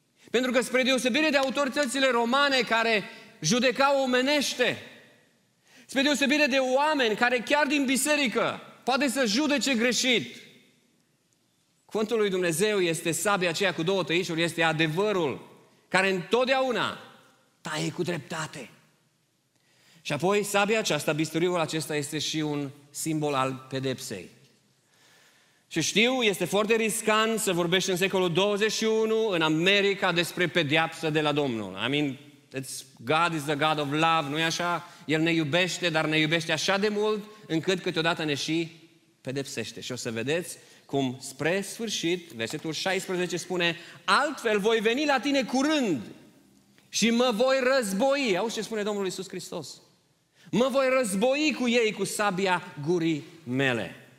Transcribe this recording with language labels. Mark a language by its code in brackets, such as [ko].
[ro] Pentru că, spre deosebire de autoritățile romane care judecau omenește, spre deosebire de oameni care chiar din biserică poate să judece greșit, cuvântul lui Dumnezeu este sabia aceea cu două tăișuri, este adevărul care întotdeauna taie cu dreptate. Și apoi, sabia aceasta, bisturiul acesta, este și un simbol al pedepsei. Și știu, este foarte riscant să vorbești în secolul 21 în America despre pedeapsă de la Domnul. [en] I mean, it's God is the God of love, [ro] nu-i așa? El ne iubește, dar ne iubește așa de mult încât câteodată ne și pedepsește. Și o să vedeți cum spre sfârșit, versetul 16 spune: altfel voi veni la tine curând și mă voi război. Auzi ce spune Domnul Iisus Hristos? Mă voi război cu ei, cu sabia gurii mele.